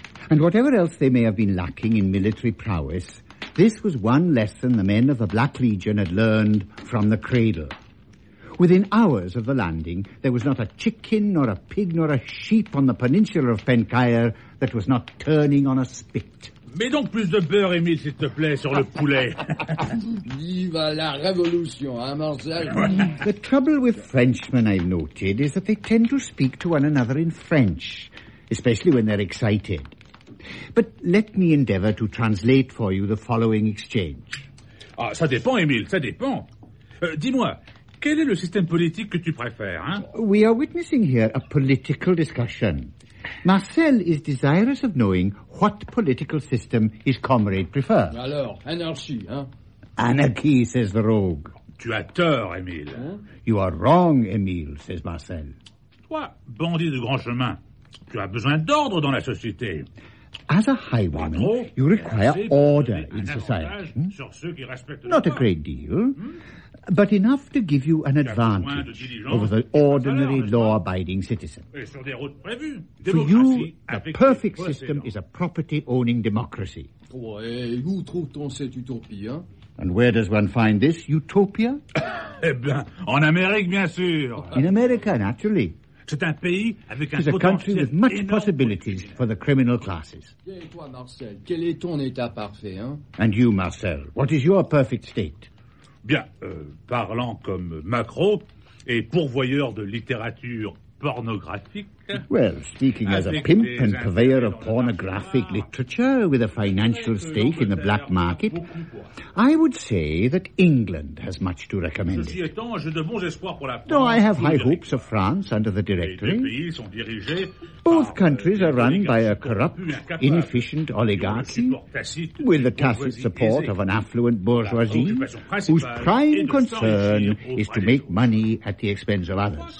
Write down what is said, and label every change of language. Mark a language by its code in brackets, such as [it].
[en] And whatever else they may have been lacking in military prowess, this was one lesson the men of the Black Legion had learned from the cradle. Within hours of the landing, there was not a chicken, nor a pig, nor a sheep on the peninsula of Penkire that was not turning on a spit. [fr] Mets donc plus de beurre, Emile, s'il te plaît, sur le poulet. Vive la révolution, hein, Marcel? [en] The trouble with Frenchmen, I've noted, is that they tend to speak to one another in French, especially when they're excited. But let me endeavor to translate for you the following exchange. [fr] Ah, ça dépend, Emile, ça dépend. Dis-moi, quel est le système politique que tu préfères, hein? [en] We are witnessing here a political discussion. Marcel is desirous of knowing what political system his comrade prefers. [fr] Alors, anarchie, hein? [en] Anarchy, says the rogue. [fr] Tu as tort, Emile. [en] You are wrong, Emile, says Marcel. [fr] Toi, bandit de grand chemin, tu as besoin d'ordre dans la société. [en] As a high one, you require order in society. Not a great deal, but enough to give you an advantage over the ordinary law-abiding citizen. For you, the perfect system is a property-owning democracy. And where does one find this utopia? [fr] Eh bien, en Amérique, bien sûr. [en] In America, naturally. [fr] C'est un pays avec [en] un country with much possibilities for the criminal classes. [fr] Et toi, Marcel, quel est ton état parfait, hein? [en] And you, Marcel, what is your perfect state? [fr] Bien, parlant comme macro et pourvoyeur de littérature pornographique. [en] Well, speaking as a pimp and purveyor of pornographic literature with a financial stake in the black market, I would say that England has much to recommend it. Though I have high hopes of France under the Directory, both countries are run by a corrupt, inefficient oligarchy with the tacit support of an affluent bourgeoisie whose prime concern is to make money at the expense of others.